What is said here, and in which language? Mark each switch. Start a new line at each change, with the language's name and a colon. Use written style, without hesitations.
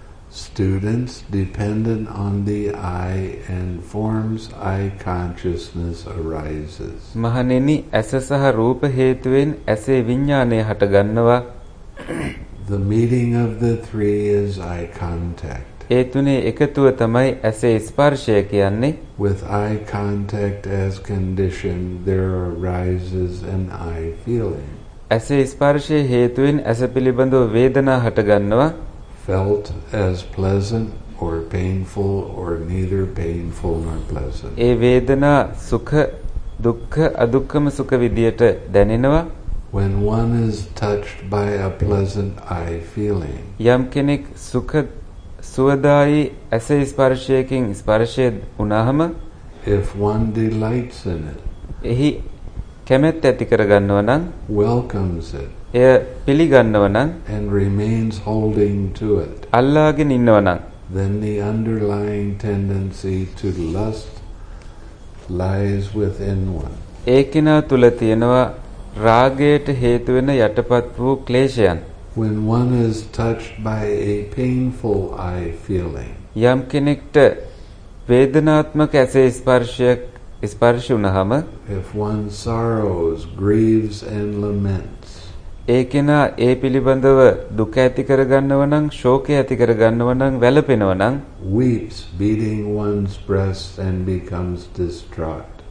English: Students dependent on the eye and forms eye consciousness arises.
Sinhala: මහණෙනි, ඇස සහ රූප හේතුවෙන් ඇසේ විඥානය හට ගන්නවා.
English: The meeting of the three is eye contact.
Sinhala: ඒ තුනේ එකතුව තමයි ඇසේ ස්පර්ශය කියන්නේ.
English: With eye contact as condition there arises an eye feeling.
Sinhala: ඇසේ ස්පර්ශය හේතුවෙන් ඇස පිළිබඳව වේදනා හටගන්නවා.
English: Felt as pleasant or painful or neither painful nor pleasant.
Sinhala: ඒ වේදනා සුඛ දුක්ඛ අදුක්ඛම සුඛ විදියට දැනෙනවා.
English: When one is touched by a pleasant eye feeling.
Sinhala: යම් කෙනෙක් සුඛ සුවදායි ඇසේ ස්පර්ශයකින් ස්පර්ශය වුණාම
English: if one delights in it
Sinhala: එහි කැමැත්ත ඇති කරගන්නවා නම්
English: welcomes it
Sinhala: එය පිළිගන්නවා නම්
English: and remains holding to it
Sinhala: අල්ලාගෙන ඉන්නවා නම්
English: then the underlying tendency to lust lies within one
Sinhala: ඒකිනා තුල තියෙනවා රාගයට හේතු වෙන යටපත් වූ ක්ලේශයන්
English: when one is touched by a painful eye feeling
Sinhala: යම් කෙනෙක්ට වේදනාත්මක ඇසේ ස්පර්ශයක් ස්පර්ශ වුණාම
English: if one sorrows grieves and laments
Sinhala: ඒකිනා ඒ පිළිබඳව දුක ඇති කරගන්නව නම් ශෝකය ඇති කරගන්නව නම් වැළපෙනව නම්
English: weeps beating one's breast and becomes distraught